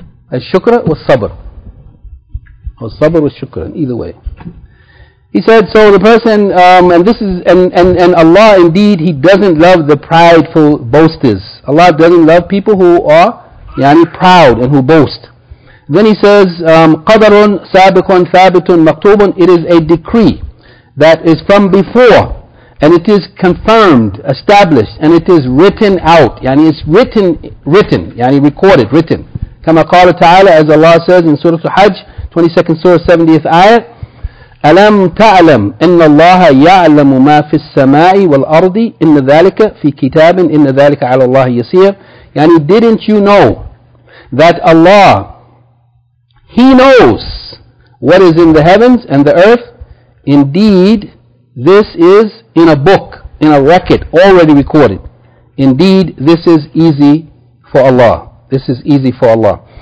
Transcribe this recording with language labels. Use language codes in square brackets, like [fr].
[en] As shukr or sabr. Or sabr or shukr, either way. He said, so the person, and Allah indeed, He doesn't love the prideful boasters. Allah doesn't love people who are yani proud and who boast. Then he says, [ar] قَدَرٌ سَابِقٌ ثَابِتٌ مَكْتُوبٌ. [en] It is a decree that is from before, and it is confirmed, established, and it is written out. Yani it's written, yani recorded, written. [ar] كَمَا قَالَ تَعَالَى, [en] as Allah says in Surah Al-Hajj, 22nd Surah, 70th ayat, [ar] أَلَمْ تَعْلَمْ إِنَّ اللَّهَ يَعْلَمُ مَا فِي السَّمَاءِ وَالْأَرْضِ إِنَّ ذَلِكَ فِي كِتَابٍ إِنَّ ذَلِكَ عَلَى اللَّهِ يَسِيرٌ. [en] يعني didn't you know that Allah, He knows what is in the heavens and the earth? Indeed, this is in a book, in a record, already recorded. Indeed, this is easy for Allah. This is easy for Allah.